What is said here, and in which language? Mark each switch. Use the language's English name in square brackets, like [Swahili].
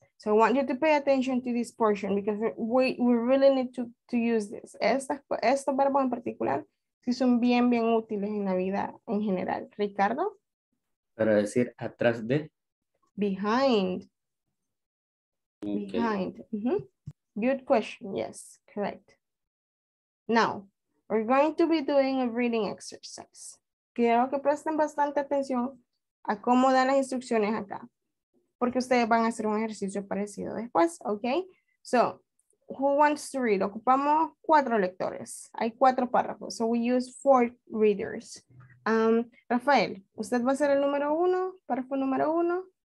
[English] So I want you to pay attention to this portion because we really need to use this. [Spanish] Estos verbos en particular sí son bien, bien útiles en la vida en general. Ricardo. Para decir atrás de. [English] Behind. Okay. Behind. Mm-hmm. Good question. Yes, correct. Now, we're going to be doing a reading exercise. [Spanish] Quiero que presten bastante atención a cómo dan las instrucciones acá. Porque ustedes van a hacer un ejercicio parecido después, ¿ok? [English] So, who wants to read? [Spanish] Ocupamos cuatro lectores. Hay cuatro párrafos. [English] So, we use four readers. [Spanish] Rafael, usted va a ser el número uno, párrafo número uno.